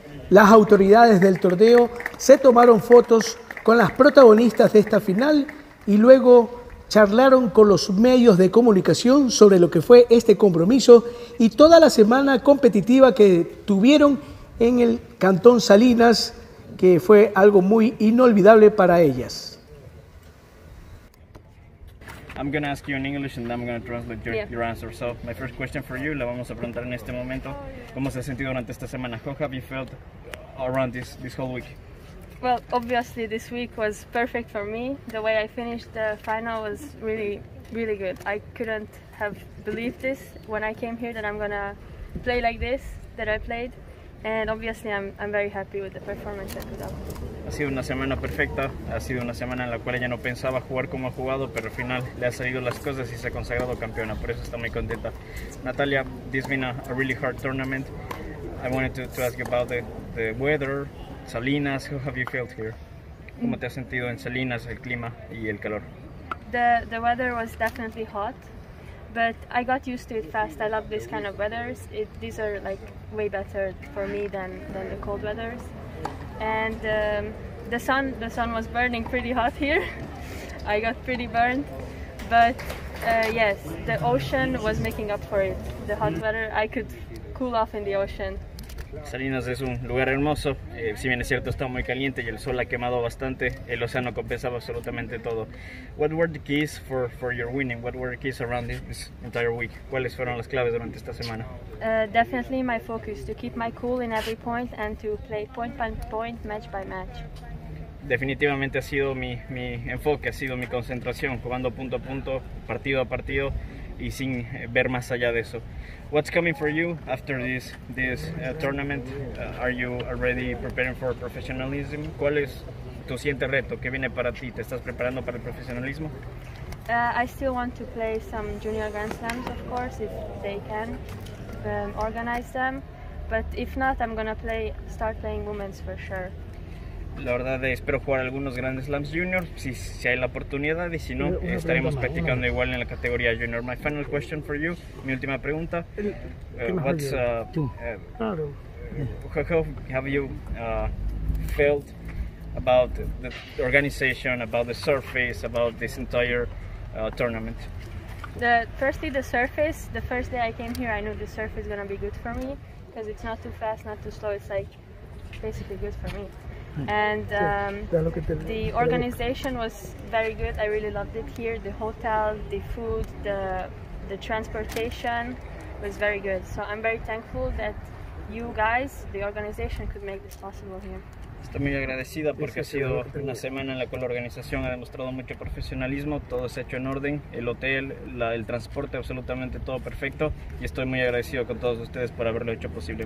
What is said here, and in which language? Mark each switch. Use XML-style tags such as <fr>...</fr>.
<es>Las autoridades del torneo se tomaron fotos con las protagonistas de esta final y luego charlaron con los medios de comunicación sobre lo que fue este compromiso y toda la semana competitiva que tuvieron en el Cantón Salinas, que fue algo muy inolvidable para ellas.</es> <en>I'm going to ask you in English and then I'm going to translate your answer. So, my first question for you,</en> <es>la vamos a preguntar en este momento. ¿Cómo se ha sentido durante esta semana?</es> <en>How have you felt around this whole week? Well, obviously this week was perfect for me. The way I finished the final was really, really good. I couldn't have believed this when I came here that I'm going to play like this, that I played. And obviously I'm very happy with the performance I put up.</en> <es>Ha sido una semana perfecta, ha sido una semana en la cual ella no pensaba jugar como ha jugado, pero al final le ha salido las cosas y se ha consagrado campeona, por eso está muy contenta.</es> <en>Natalia, this has been a really hard tournament. I wanted to ask you about the weather, Salinas, how have you felt here?</en> <es>¿Cómo te has sentido en Salinas, el clima y el calor?</es> <en>The weather was definitely hot, but I got used to it fast. I love this kind of weathers. These are like way better for me than the cold weathers. And the sun was burning pretty hot here. I got pretty burned, but yes, the ocean was making up for it. The hot weather, I could cool off in the ocean.</en> <es>Salinas es un lugar hermoso. Si bien es cierto, está muy caliente y el sol ha quemado bastante. El océano compensaba absolutamente todo.</es> <en>What were the keys for your winning? What were the keys around this entire week?</en> <es>¿Cuáles fueron las claves durante esta semana?</es> <en>Definitely my focus, to keep my cool in every point and to play point by point, match by match.</en> <es>Definitivamente ha sido mi enfoque, ha sido mi concentración, jugando punto a punto, partido a partido. Y sin ver más allá de eso.</es> <en>What's coming for you after this tournament? Are you already preparing for professionalism?</en> <es>¿Cuál es tu siguiente reto? ¿Qué viene para ti? ¿Te estás preparando para el profesionalismo?</es> <en>I still want to play some junior grand slams, of course, if they can organize them. But if not, I'm gonna start playing women's for sure.</en> <es>La verdad espero jugar algunos Grand Slams Junior si hay la oportunidad y si no estaremos practicando igual en la categoría Junior.</es> <en>My final question for you,</en> <es>mi última pregunta.</es> <en>How have you felt about the organization, about the surface, about this entire tournament? The surface. The first day I came here, I knew the surface is gonna be good for me because it's not too fast, not too slow. It's like basically good for me. And the organization was very good. I really loved it here. The hotel, the food, the transportation was very good. So I'm very thankful that you guys, the organization, could make this possible here.</en> <es>Estoy muy agradecida porque ha sido una semana en la cual la organización ha demostrado mucho profesionalismo. Todo se ha hecho en orden. El hotel, el transporte, absolutamente todo perfecto. Y estoy muy agradecido con todos ustedes por haberlo hecho posible.</es>